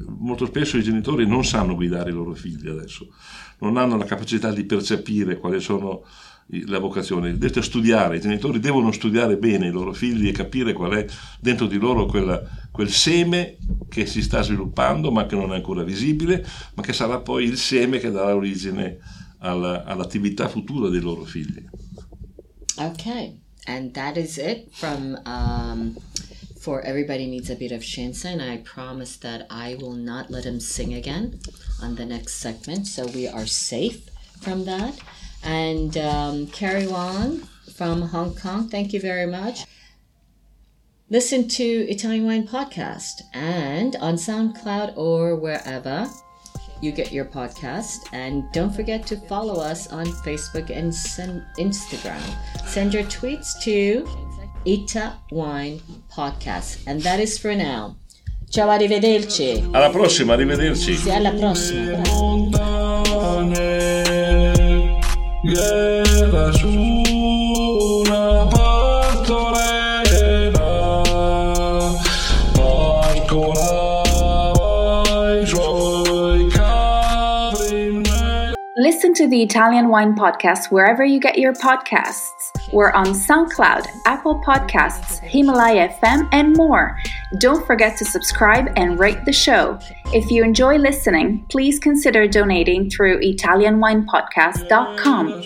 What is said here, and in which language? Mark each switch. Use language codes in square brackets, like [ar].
[it] Molto spesso i genitori non sanno guidare i loro figli adesso, non hanno la capacità di percepire quali sono la vocazione. Detto studiare, i genitori devono studiare bene i loro figli e capire qual è dentro di loro quel seme che si sta sviluppando ma che non è ancora visibile, ma che sarà poi il seme che darà origine all'attività futura dei loro figli. [en] Ok, and that is it from For Everybody Needs a Bit of Chance, and I promise that I will not let him sing again on the next segment, so we are safe from that. And Carrie Wong from Hong Kong, thank you very much. Listen to Italian Wine Podcast and on SoundCloud or wherever you get your podcast. And don't forget to follow us on Facebook and Instagram. Send your tweets to Ita Wine Podcast. And that is for now. [it] Ciao, arrivederci. Alla prossima, arrivederci. Sì, alla prossima. Era su una pastorella, porcolava i suoi cavi. [en] Listen to the Italian Wine Podcast wherever you get your podcasts. We're on SoundCloud, Apple Podcasts, Himalaya FM, and more. Don't forget to subscribe and rate the show. If you enjoy listening, please consider donating through italianwinepodcast.com.